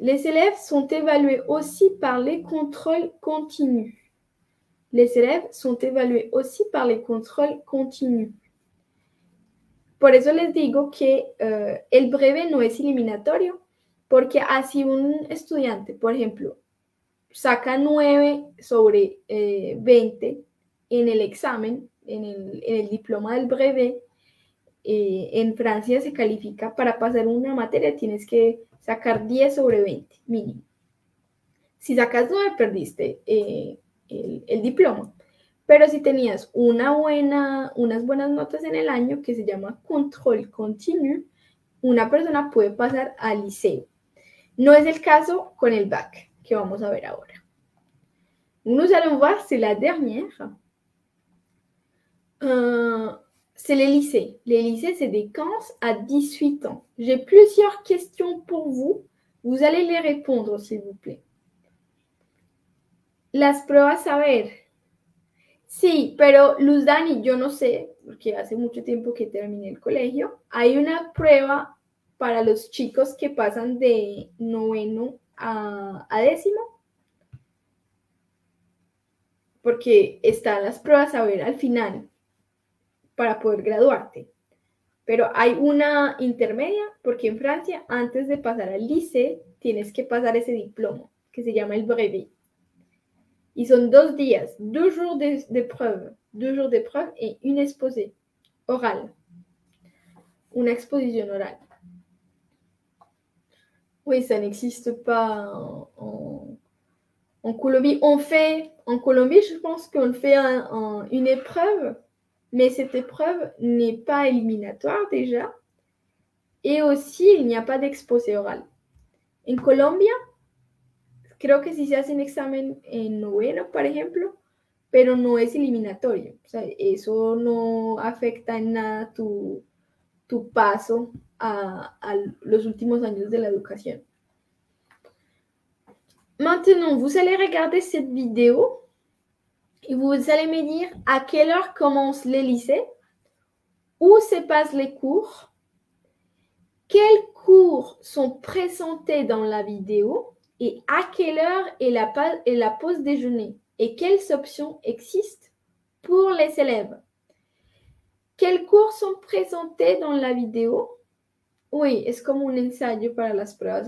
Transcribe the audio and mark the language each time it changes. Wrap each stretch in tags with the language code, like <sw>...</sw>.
<fr>Les élèves sont évalués aussi par les contrôles continus. Les élèves sont évalués aussi par les contrôles continus.</fr> <es>Por eso les digo que el brevet no es eliminatorio, porque así un estudiante, por ejemplo, saca 9 sobre 20 en el examen, en el diploma del brevet, en Francia se califica para pasar una materia, tienes que sacar 10 sobre 20, mínimo. Si sacas 9, perdiste el diploma. Pero si tenías unas buenas notas en el año, que se llama control continu, una persona puede pasar al liceo. No es el caso con el BAC, que vamos a ver ahora.</es> <fr>Nous allons voir, c'est la dernière. C'est les lycées. Les lycées, c'est des 15 à 18 ans. J'ai plusieurs questions pour vous. Vous allez les répondre, s'il vous plaît.</fr> <es>Las pruebas a ver. Sí, pero Luz Dani, yo no sé, porque hace mucho tiempo que terminé el colegio. Hay una prueba para los chicos que pasan de noveno a décimo. Porque están las pruebas a ver al final para poder graduarte. Pero hay una intermedia porque en Francia, antes de pasar al lycée, tienes que pasar ese diploma que se llama el brevet. Y son 2 días,</es> <fr>2 jours de preuve, 2 jours de preuve et une exposée orale, une exposition orale. Oui, ça n'existe pas en Colombie. En Colombie, je pense qu'on fait une épreuve, mais cette épreuve n'est pas éliminatoire déjà. Et aussi, il n'y a pas d'exposé oral.</fr> <es>En Colombia, creo que sí se hace un examen en noveno, por ejemplo, pero no es eliminatorio. O sea, eso no afecta en nada tu paso a los últimos años de la educación.</es> <fr>Maintenant, vous allez regarder cette vidéo et vous allez me dire à quelle heure commence les lycées, où se passent les cours, quels cours sont présentés dans la vidéo et à quelle heure est la pause déjeuner et quelles options existent pour les élèves. Quels cours sont présentés dans la vidéo? Oui, c'est comme un</fr> <es>ensayo para las pruebas.</es>